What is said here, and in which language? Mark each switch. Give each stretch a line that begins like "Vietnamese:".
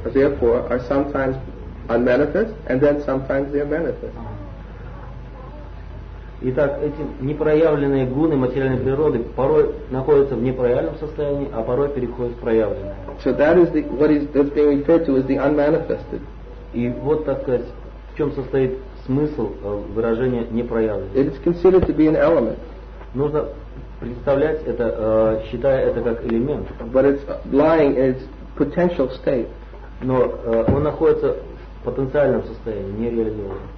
English: Therefore, are sometimes unmanifest and then sometimes they are manifest.
Russian: Итак, эти непроявленные гуны материальной природы порой находятся в непроявленном состоянии, а порой переходят в проявленное.
English: So that is the, what is, that's being referred to as the unmanifested.
Russian: И вот, так сказать, в чем состоит смысл выражения непроявленное.
English: It is considered to be an element.
Russian: Нужно представлять это, считая это как элемент.
English: But it's lying in its potential state.
Russian: Но он находится в потенциальном состоянии, нереализованном.